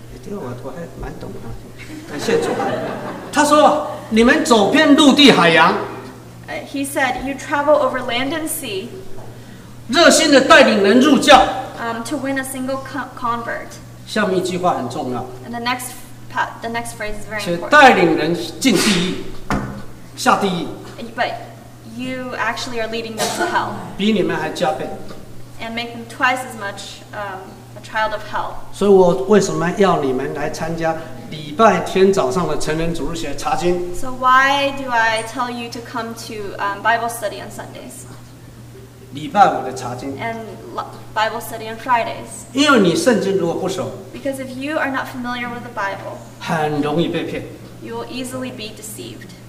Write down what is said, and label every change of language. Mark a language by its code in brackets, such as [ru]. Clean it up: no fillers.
[zh] 这个我还蛮懂的，感谢主。他说：“你们走遍陆地海洋。” [en] He said, "You travel over land and sea." [zh] 热心的带领人入教。 [en] To win a single convert. [zh] 下面一句话很重要。 [en] And the next phrase is very important. [zh] 是带领人进地狱，下地狱。 [en] But you actually are leading them to hell. [zh] 比你们还加倍。 [en] And make them twice as much a child of hell. [zh] 所以我为什么要你们来参加礼拜天早上的成人主日学查经 [en] ？So why do I tell you to come to Bible study on Sundays? [zh] 礼拜五的查经。 [en] And Bible study on Fridays. [zh] 因为你圣经如果不熟。 [en] Because if you are not familiar with the Bible. [zh] 很容易被骗。 [en] You will easily be deceived.